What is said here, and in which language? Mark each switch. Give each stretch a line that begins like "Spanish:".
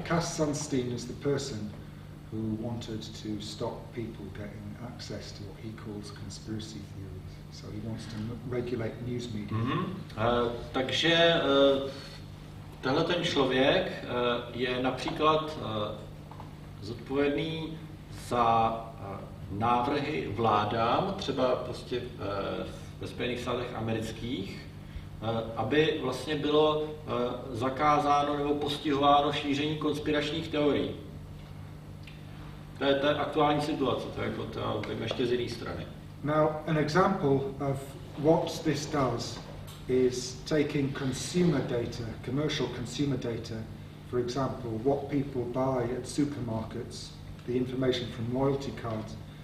English: Cass Sunstein is the person who wanted to stop people getting access to what he calls conspiracy theories. So he wants to regulate news media. Mm-hmm.
Czech: Takže tenhle ten člověk je například zodpovědný za návrhy vládám, třeba prostě ve Spojených státech amerických, aby vlastně bylo zakázáno nebo postihováno šíření konspiračních teorií. To je aktuální situace, to je jako to, ještě z jiné strany.
English: Now an example of what this does is taking consumer data, commercial consumer data, for example, what people buy at supermarkets, the information from loyalty cards.